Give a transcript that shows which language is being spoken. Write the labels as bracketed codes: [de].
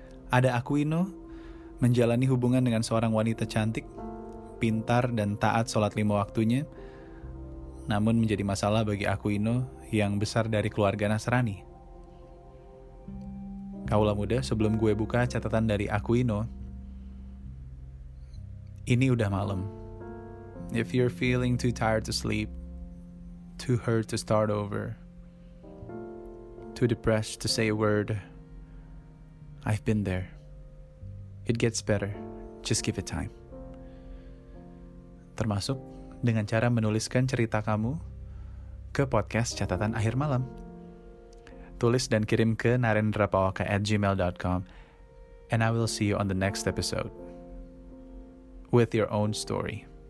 [id] Ada Aquino, menjalani hubungan dengan seorang wanita cantik, pintar dan taat sholat lima waktunya, namun menjadi masalah bagi Aquino yang besar dari keluarga Nasrani. Kaula muda, sebelum gue buka catatan dari Aquino, ini udah malam. [en] If you're feeling too tired to sleep, too hurt to start over, too depressed to say a word, I've been there. It gets better. Just give it time. [id] Termasuk dengan cara menuliskan cerita kamu ke podcast Catatan Akhir Malam. Tulis dan kirim ke [en] narendrapawaka@gmail.com and I will see you on the next episode with your own story.